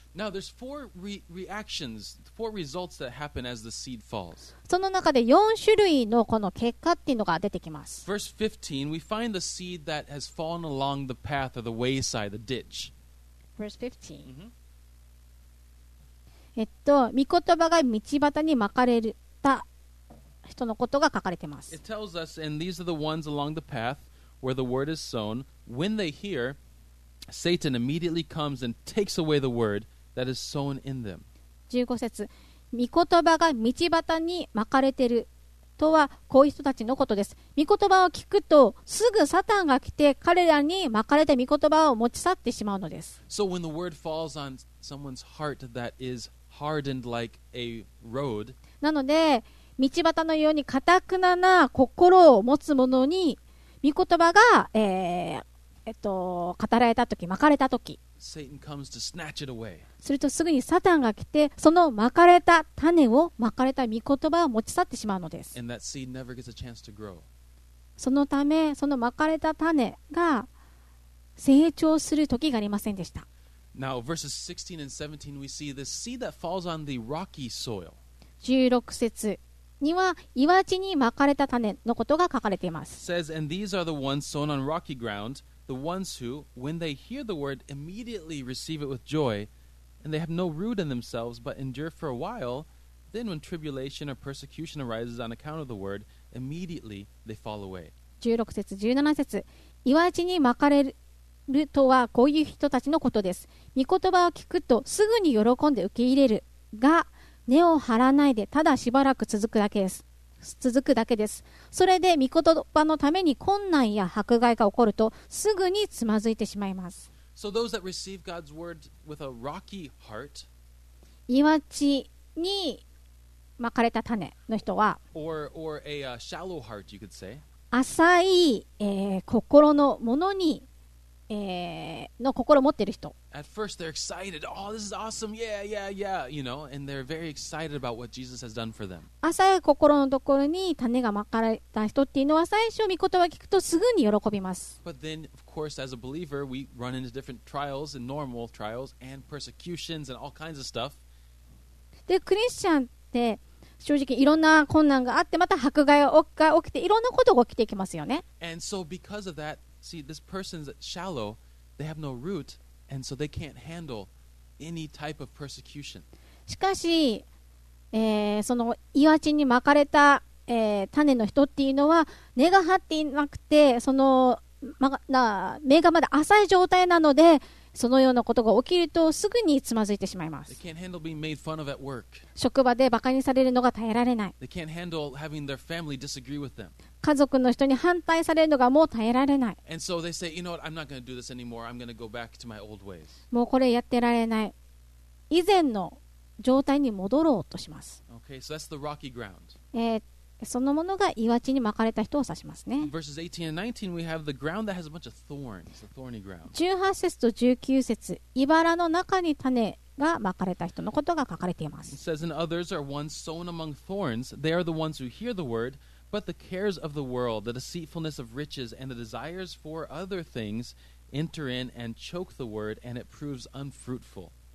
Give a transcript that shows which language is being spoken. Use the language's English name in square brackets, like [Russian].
[English] Now there's four reactions, four results that happen as the seed falls. [Japanese] その中で4種類のこの結果っていうのが出てきます。 [English] Verse 15, we find the seed that has fallen along the path or the wayside, the ditch. Verse 15. Mm-hmm. [Japanese] 御言葉が道端にまかれた人のことが書かれてます。 [English] It tells us, and these are the ones along the path where the word is sown. When they hear, Satan immediately comes and takes away the word. That is sown in them. [Japanese] 15節、御言葉が道端にまかれているとはこういう人たちのことです。御言葉を聞くとすぐサタンが来て彼らにまかれた御言葉を持ち去ってしまうのです。 [English] So when the word falls on someone's heart that is hardened like a road, [Japanese] なので道端のように固くなな心を持つ者に御言葉が、語られたとき、まかれたとき。 [English] Satan comes to snatch it away. [Japanese] するとすぐにサタンが来てその撒かれた種を撒かれた御言葉を持ち去ってしまうのです。 [English] And that seed never gets a chance to grow. [Japanese] そのためその撒かれた種が成長する時がありませんでした。 [English] Now verses 16 and 17 we see the seed that falls on the rocky soil. [Japanese] 16節には岩地に撒かれた種のことが書かれています。 [English] says and these are the ones sown on rocky groundThe ones who, when they hear the word, immediately receive it with joy, and they have no root in themselves, but endure for a while. Then, when tribulation or persecution arises on account of the word, immediately they fall away. [Japanese] 16節17節岩地にまかれるとはこういう人たちのことです。御言葉を聞くとすぐに喜んで受け入れるが、根を張らないでただしばらく続くだけです。続くだけです。それで御言葉のために困難や迫害が起こるとすぐにつまずいてしまいます。 [English] So those that receive God's word with a rocky heart, [Japanese] 岩地にまかれた種の人は [English] or a shallow heart, you could say. [Japanese] 浅い、心のものに、の心を持っている人。 [English] At first they're excited. Oh, this is awesome. Yeah, yeah, yeah. You know, and they're very excited about what Jesus has done for them. [Japanese] 浅い心のところに種がまかれた人っていうのは最初御言葉を聞くとすぐに喜びます。 [English] But then, of course, as a believer, we run into different trials and normal trials and persecutions and all kinds of stuff. [Japanese] で、クリスチャンって正直いろんな困難があってまた迫害が起きていろんなことが起きてきますよね。 [English] And so because of thatSee, this person's shallow, they have no root, and so they can't handle any type of persecution. [Japanese] しかし、その岩地にまかれた、種の人っていうのは根が張っていなくて、その、根がまだ浅い状態なので、そのようなことが起きるとすぐにつまずいてしまいます。 [English] They can't handle being made fun of at work. [Japanese] 職場でバカにされるのが耐えられない。 [English] They can't handle having their family disagree with them. [Japanese] 家族の人に反対されるのがもう耐えられない。 [English] And so they say, you know what, I'm not going to do this anymore. I'm going to go back to my old ways. [Japanese] もうこれやってられない。以前の状態に戻ろうとします。 [English] Okay, so that's the rocky ground. [Japanese] そのものが岩地にまかれた人を指しますね。 [English] Verses 18 and 19, we have the ground that has a bunch of thorns, the thorny ground. [Japanese] 18節と19節、茨の中に種がまかれた人のことが書かれています。 [English] It says, and others are ones sown among thorns. They are the ones who hear the word. But the cares of the world, the deceitfulness of riches, and the desires for other things enter in and choke the word, and it proves unfruitful.